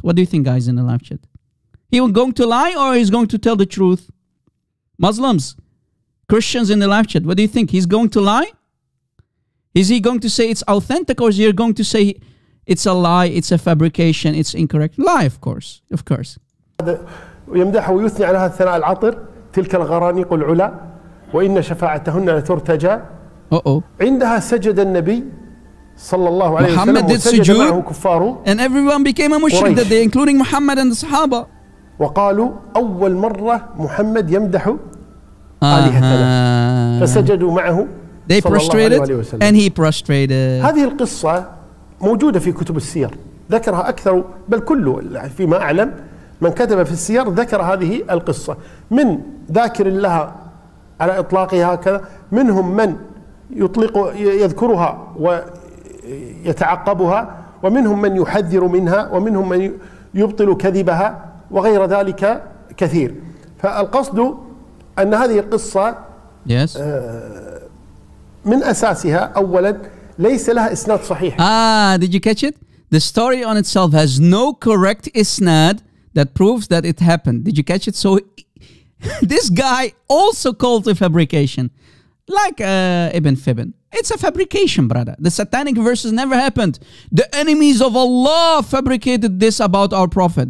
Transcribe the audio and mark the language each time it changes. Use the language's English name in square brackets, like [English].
[English] What do you think, guys, in the live chat? He was going to lie or he's going to tell the truth? Muslims, Christians in the live chat, what do you think? He's going to lie? Is he going to say it's authentic or is he going to say it's a lie, it's a fabrication, it's incorrect? Lie, of course, of course. [Arabic] ويمدح ويثني على هذا الثناء العطر تلك الغرانيق العلا وإن شفاعتهن لترتجى عندها سجد النبي صلى الله عليه وسلم [English] محمد did sujood and everyone became a mushrik that day including Muhammad and the Sahaba [Arabic] وقالوا أول مرة محمد يمدح آلهتنا فسجدوا معه [English] They prostrated and he prostrated. [Arabic] هذه القصة موجودة في كتب السير ذكرها أكثر بل كله فيما أعلم من كتب في السير ذكر هذه القصة من ذاكر لها على إطلاقها هكذا منهم من يطلق يذكرها ويتعقبها ومنهم من يحذر منها ومنهم من يبطل كذبها وغير ذلك كثير فالقصد أن هذه القصة [English] yes. [Arabic] من أساسها أولا ليس لها إسناد صحيح [English] did you catch it? The story on itself has no correct إسناد that proves that it happened. Did you catch it? So this guy also called it a fabrication. Like Ibn Fibbin. It's a fabrication, brother. The satanic verses never happened. The enemies of Allah fabricated this about our prophet.